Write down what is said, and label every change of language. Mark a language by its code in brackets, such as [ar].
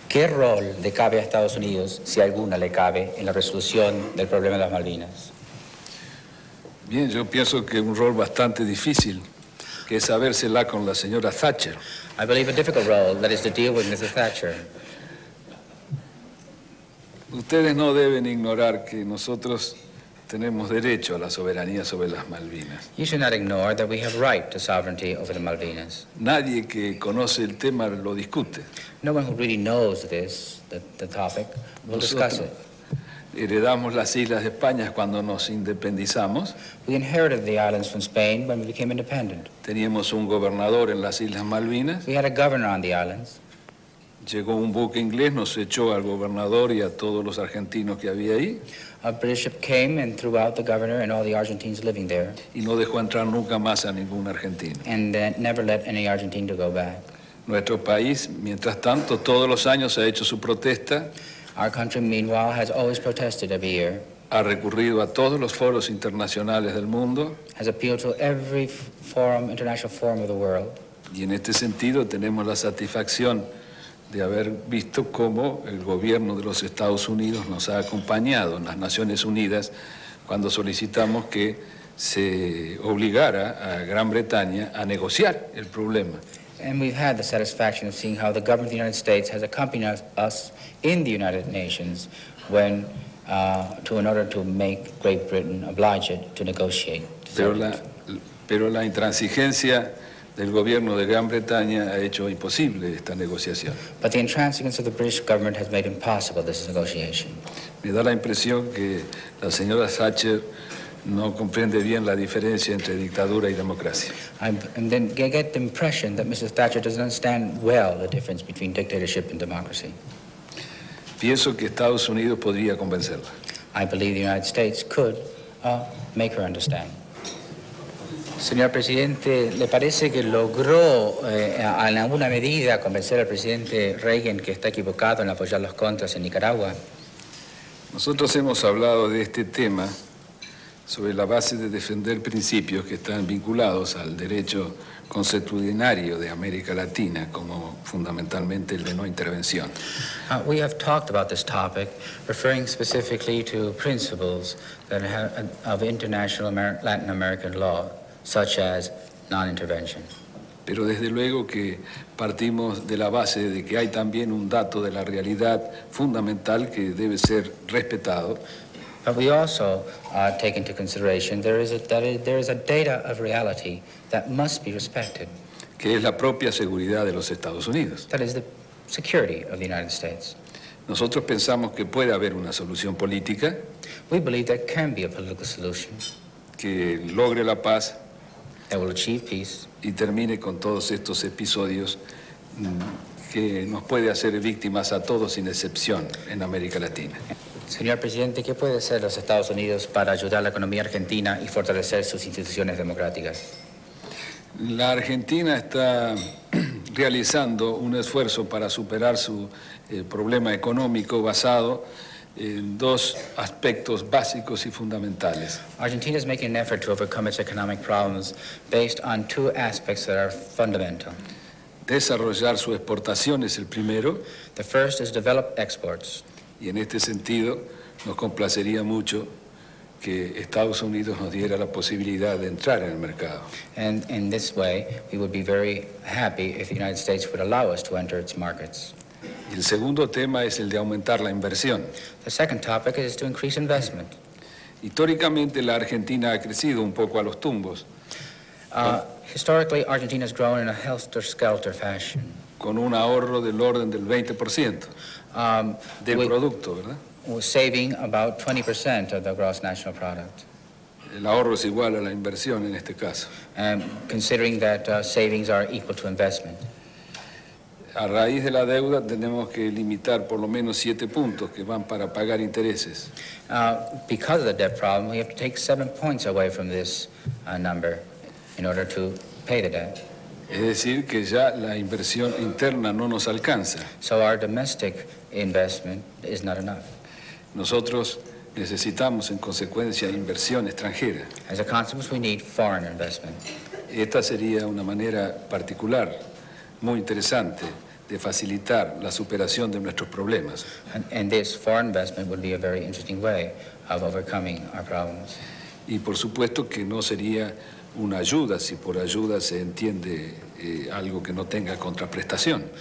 [es] ¿Qué rol le cabe a Estados Unidos, si alguna le cabe, en la resolución del problema de las Malvinas? Bien, yo pienso que un rol bastante difícil, que es habérsela con la señora Thatcher. [en] I believe a difficult role, that is to deal with Mrs. Thatcher. [es] Ustedes no deben ignorar que nosotros tenemos derecho a la soberanía sobre las Malvinas. [en] You should not ignore that we have right to sovereignty over the Malvinas. [es] Nadie que conoce el tema lo discute. [en] No one who really knows this, the topic, will discuss it. [es] Heredamos las islas de España cuando nos independizamos. [en] We inherited the islands from Spain when we became independent. [es] Teníamos un gobernador en las Islas Malvinas. [en] We had a governor on the islands. [es] Llegó un buque inglés, nos echó al gobernador y a todos los argentinos que había ahí. [en] A British ship came and threw out the governor and all the Argentines living there. [es] Y no dejó entrar nunca más a ningún argentino. [en] And never let any Argentine to go back. [es] Nuestro país, mientras tanto, todos los años ha hecho su protesta. [en] Our country, meanwhile, has always protested every year. [es] Ha recurrido a todos los foros internacionales del mundo. [en] Has appealed to every forum, international forum of the world. [es] Y en este sentido tenemos la satisfacción de haber visto cómo el gobierno de los Estados Unidos nos ha acompañado en las Naciones Unidas cuando solicitamos que se obligara a Gran Bretaña a negociar el problema. [en] And we've had the satisfaction of seeing how the government of the United States has accompanied us in the United Nations when, in order to make Great Britain oblige it to negotiate. [es] Pero la intransigencia del gobierno de Gran Bretaña ha hecho imposible esta negociación. [en] But the intransigence of the British government has made impossible this negotiation. [es] Me da la impresión que la señora Thatcher no comprende bien la diferencia entre dictadura y democracia. [en] And then I get the impression that Mrs. Thatcher doesn't understand well the difference between dictatorship and democracy. [es] Pienso que Estados Unidos podría convencerla. [en] I believe the United States could make her understand. [es] Señor presidente, ¿le parece que logró en alguna medida convencer al presidente Reagan que está equivocado en apoyar los contras en Nicaragua? Nosotros hemos hablado de este tema sobre la base de defender principios que están vinculados al derecho consuetudinario de América Latina, como fundamentalmente el de no intervención. [en] We have talked about this topic, referring specifically to principles that have, of international Latin American law, such as non-intervention. [es] Pero desde luego que partimos de la base de que hay también un dato de la realidad fundamental que debe ser respetado. [en] But we also take into consideration there is a data of reality that must be respected. [es] Que es la propia seguridad de los Estados Unidos. [en] That is the security of the United States. [es] Nosotros pensamos que puede haber una solución política. [en] We believe there can be a political solution. [es] Que logre la paz. [en] That will achieve peace. [es] Y termine con todos estos episodios que nos puede hacer víctimas a todos sin excepción en América Latina. Señor presidente, ¿qué puede hacer los Estados Unidos para ayudar a la economía argentina y fortalecer sus instituciones democráticas? La Argentina está realizando un esfuerzo para superar su problema económico basado en dos aspectos básicos y fundamentales. [en] Argentina is making an effort to overcome its economic problems based on two aspects that are fundamental. [es] Desarrollar su exportación es el primero. [en] The first is develop exports. [es] Y en este sentido, nos complacería mucho que Estados Unidos nos diera la posibilidad de entrar en el mercado. [en] And in this way, we would be very happy if the United States would allow us to enter its markets. [es] Y el segundo tema es el de aumentar la inversión. [en] The second topic is to increase investment. [es] Históricamente, la Argentina ha crecido un poco a los tumbos. [en] Historically, Argentina has grown in a helter-skelter fashion. [es] Con un ahorro del orden del 20%. Del producto, ¿verdad? [en] We're saving about 20% of the gross national product. [es] El ahorro es igual a la inversión en este caso. [en] Considering that savings are equal to investment. [es] A raíz de la deuda tenemos que limitar por lo menos 7 puntos que van para pagar intereses. [en] Because of the debt problem, we have to take 7 points away from this number in order to pay the debt. [es] Es decir, que ya la inversión interna no nos alcanza. [en] So our domestic investment is not enough. [es] Nosotros necesitamos, en consecuencia, inversión extranjera. [en] As a consequence, we need foreign investment. [es] Esta sería una manera particular, muy interesante, de facilitar la superación de nuestros problemas. [en] And this foreign investment would be a very interesting way of overcoming our problems. [es] Y por supuesto que no sería una ayuda, si por ayuda se entiende algo que no tenga contraprestación.